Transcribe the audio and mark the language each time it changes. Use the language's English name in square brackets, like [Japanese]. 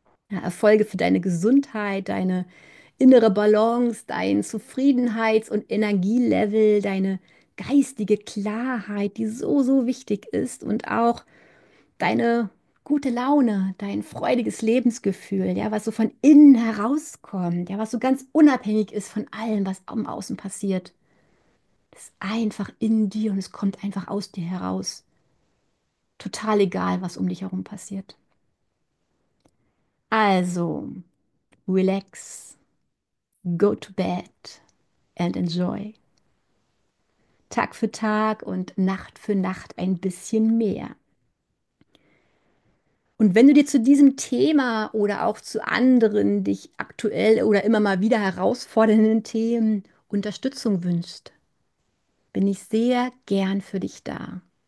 [German] Ja, Erfolge für deine Gesundheit, deine innere Balance, dein Zufriedenheits- und Energielevel, deine geistige Klarheit, die so wichtig ist, und auch deine gute Laune, dein freudiges Lebensgefühl, ja, was so von innen herauskommt, ja, was so ganz unabhängig ist von allem, was am Außen passiert. Das ist einfach in dir und es kommt einfach aus dir heraus. Total egal, was um dich herum passiert. [English] Also, relax, go to bed and enjoy. [German] Tag für Tag und Nacht für Nacht ein bisschen mehr. Und wenn du dir zu diesem Thema oder auch zu anderen dich aktuell oder immer mal wieder herausfordernden Themen Unterstützung wünschst, bin ich sehr gern für dich da.